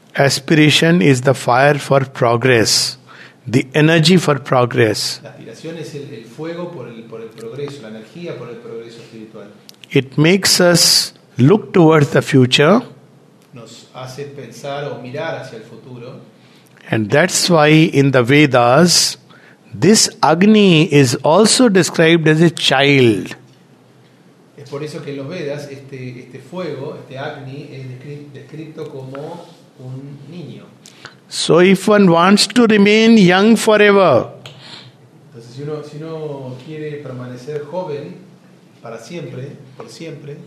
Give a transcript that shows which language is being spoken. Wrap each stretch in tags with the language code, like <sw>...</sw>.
<en>Aspiration is the fire for progress, the energy for progress.</en> <es>La aspiración es el fuego por el progreso, la energía por el progreso espiritual.</es> <en>It makes us look towards the future.</en> <es>Nos hace pensar o mirar hacia el futuro.</es> <en>And that's why in the Vedas, this Agni is also described as a child.</en> <es>Es por eso que en los Vedas este fuego, este Agni, es descrito como un niño.</es> <en>So if one wants to remain young forever,</en> <es>entonces si uno quiere permanecer joven para siempre, por siempre,</es>